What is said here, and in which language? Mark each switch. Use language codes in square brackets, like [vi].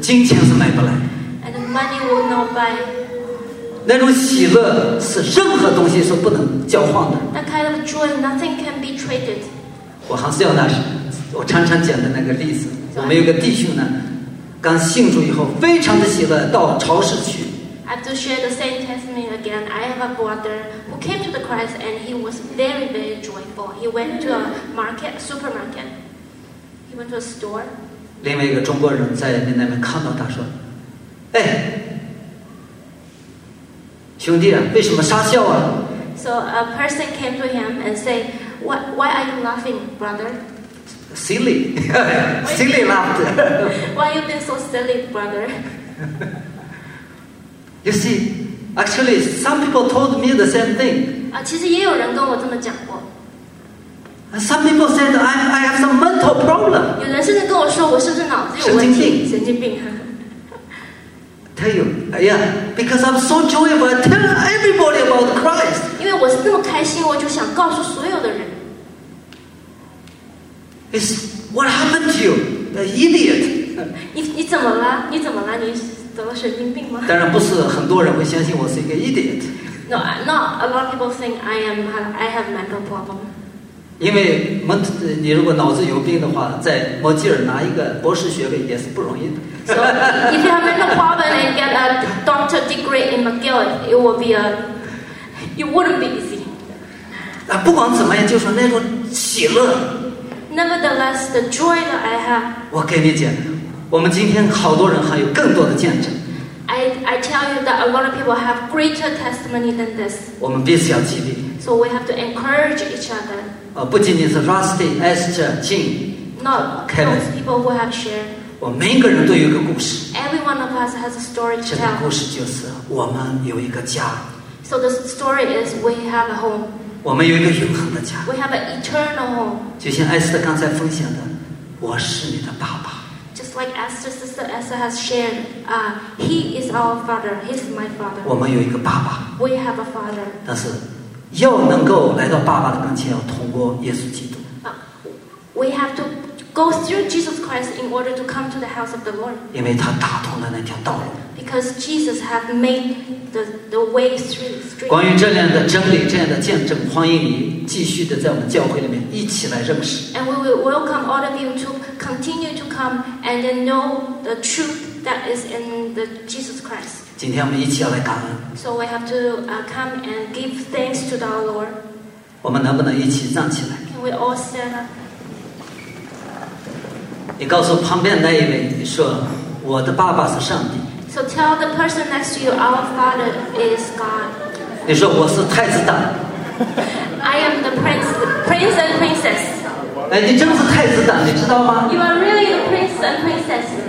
[zh] 金钱是买不来 [en] and money will not buy, [zh] 那种喜乐是任何东西是不能交换的。 [en] That kind of joy, nothing can be traded. [zh] 我还是要拿我常常讲的那个例子。我们有个弟兄呢，刚信主以后非常的喜乐，到超市去。 [en] I have to share the same testimony again. I have a brother who came to the Christ and he was very, very joyful. He went to a market, supermarket. He went to a store. [zh] 另外一个中国人在那边看到他说，哎。兄弟，为什么傻笑啊 [en] ？So a person came to him and say, "Why are you laughing, brother?" Silly, silly laughter. Why you been so silly, brother? You see, actually, some people told me the same thing. [zh] 其实也有人跟我这么讲过。 [en] Some people said I have some mental problem. [zh] 有人甚至跟我说我是不是脑子有问题？神经病，神经病。 [en] Tell you, yeah, because I'm so joyful, I tell everybody about Christ. [zh] 因为我是那么开心，我就想告诉所有的人。 [en] It's what happened to you, the idiot. [zh] 你怎么了？你怎么了？你得了神经病吗？当然不是，很多人会相信我是一个 idiot. [en] No, not a lot of people think I have mental problem. [zh] 因为你如果脑子有病的话，在摩吉尔拿一个博士学位也是不容易的。 [en] So if you have mental problem and get a doctor degree in McGill, it will be a, it wouldn't be easy. [zh] 啊，不管怎么样，就是那种喜乐。 [en] Nevertheless, the joy that I have. [zh] 我给你讲，我们今天好多人还有更多的见证。 [en] I tell you that a lot of people have greater testimony than this. [zh] 我们彼此要激励。 [en] So we have to encourage each other. [zh] 不仅仅是 Rusty, Esther, Jim. [en] Not those people who have shared. [zh] 我每个人都有一个故事。 [en] Every one of us has a story to tell. [zh] 这个故事就是我们有一个家。 [en] So the story is we have a home. [zh] 我们有一个永恒的家。 [en] We have an eternal home. [zh] 就像艾斯特刚才分享的，我是你的爸爸。 [en] Just like Esther's sister Esther has shared, he is our father. He's my father. [zh] 我们有一个爸爸。 [en] We have a father. [zh] 但是，要能够来到爸爸的跟前，要通过耶稣基督。 [en] We have to. Go through Jesus Christ in order to come to the house of the Lord. [zh] 因为他打通了那条道路。 [en] Because Jesus has made the way straight. [zh] 关于这样的真理，这样的见证，欢迎你继续的在我们教会里面一起来认识。 [en] And we will welcome all of you to continue to come and then know the truth that is in the Jesus Christ. [zh] 今天我们一起要来感恩。 [en] So we have to come and give thanks to our Lord. [zh] 我们能不能一起站起来 [en] ？Can we all stand up? [zh] 你告诉旁边那一位，你说我的爸爸是上帝。 [en] So tell the person next to you, our father is God. [zh] 你说我是太子党。 [en] I am the prince and princess. [zh] 哎，你真是太子党，你知道吗 [en] ？You are really the prince and princess.